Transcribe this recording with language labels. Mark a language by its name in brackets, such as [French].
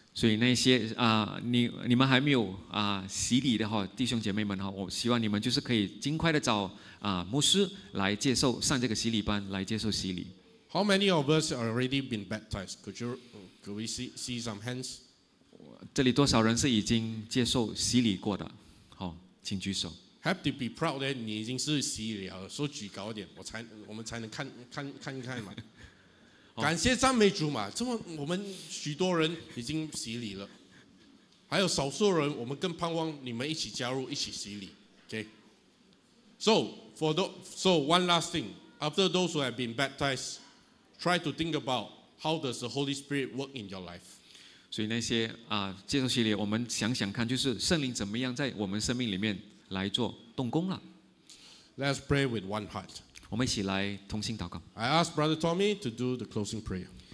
[Chinese] 所以那些啊、你们还没有啊、洗礼的话，弟兄姐妹们哈，我希望你们就是可以尽快的找啊、牧师来接受上这个洗礼班，来接受洗礼。 [English] How many of us have already been baptized? Could we see some hands? [Chinese] 这里多少人是已经接受洗礼过的？好，请举手。 [English] Have to be proud that [Chinese] 你已经是洗礼了，所以举高一点，我们才能看嘛。感谢赞美主嘛，这么我们许多人已经洗礼了，还有少数人，我们更盼望你们一起加入，一起洗礼。 [English] Okay. So one last thing. After those who have been baptized. Try to think about how does the Holy Spirit work in your life. [Chinese] 所以那些啊，接受洗礼，我们想想看，就是圣灵怎么样在我们生命里面来做动工了。 [English] Let's pray with one heart. [Chinese] 我们一起来同心祷告。 [English] I ask Brother Tommy to do the closing prayer.